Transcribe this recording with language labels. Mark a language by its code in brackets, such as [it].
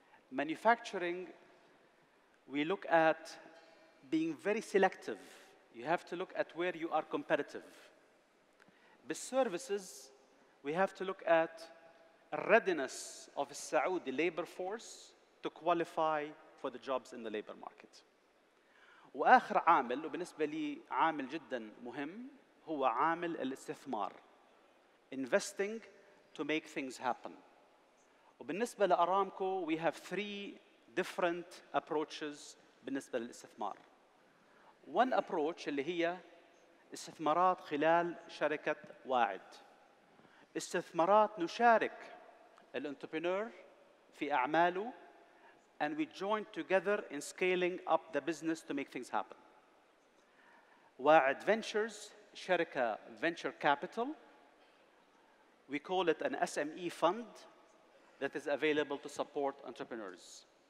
[en] Manufacturing, we look at being very selective. You have to look at where you are competitive. The services, we have to look at readiness of the Saudi labor force to qualify for the jobs in the labor market. [ar] واخر عامل وبالنسبه لي عامل جدا مهم هو عامل الاستثمار. [en] Investing to make things happen. [ar] وبالنسبة لأرامكو, [en] we have three different approaches [ar] بالنسبة للاستثمار. [en] One approach [ar] اللي هي استثمارات خلال شركة واعد. استثمارات نشارك الانتربرينور في أعماله [en] and we joined together in scaling up the business to make things happen. Wa'ad Ventures, Sharika Venture Capital, we call it an SME fund that is available to support entrepreneurs.